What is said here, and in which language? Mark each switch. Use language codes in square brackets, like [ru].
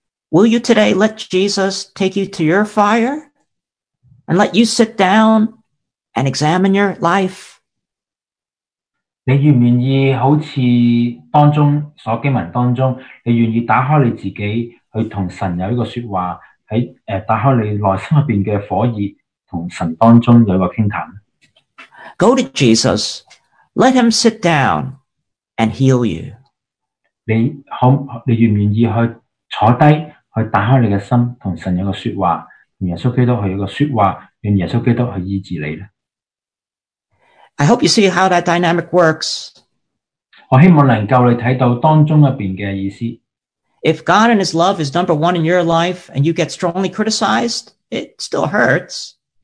[en] Will you today let Jesus take you to your fire and let you sit down and examine your life? [zh] 你愿意好像当中所经文当中,你愿意打开你自己,去跟神有一个说话,打开你内心里面的火意,跟神当中有一个倾谈。 [en] Go to Jesus, let him sit down and heal you. [zh] 你愿不愿意坐下,去打开你的心,跟神有一个说话,跟耶稣基督有一个说话,跟耶稣基督去医治你呢? [en] I hope you see how that dynamic works. [zh] 我希望能够你看到当中里面的意思。 [en] If God and His love is number one in your life and you get strongly criticized, it still hurts.